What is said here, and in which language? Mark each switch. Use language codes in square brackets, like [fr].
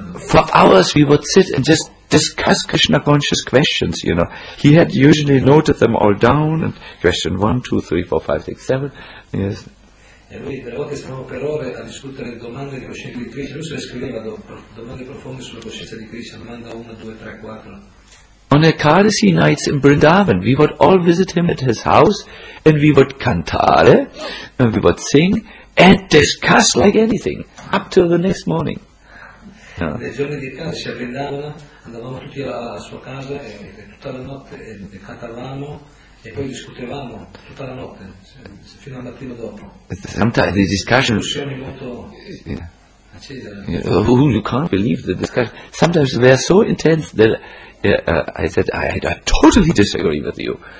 [en] For hours we would sit and just discuss Krishna conscious questions, you know. He had usually noted them all down, and question 1, 2, 3, 4, 5, 6, 7, yes. [it] e lui delle volte stavamo per ore a discutere domande di coscienza di Krishna, lui se le scriveva dopo, domande profonde sulla coscienza di Krishna, domanda 1, 2, 3, 4. [en] On Ekadasi nights in Vrindavan, we would all visit him at his house, and we would cantare, and we would sing, and discuss like anything, up till the next morning. [it] Nei giorni di Ekadasi a Vrindavan, andavamo tutti alla sua casa, e tutta la notte cantavamo, e poi discutevamo tutta la notte, fino al mattino dopo. [en] Sometimes the discussion... Oh, you can't believe the discussion. Sometimes they are so intense that I said, I totally disagree with you.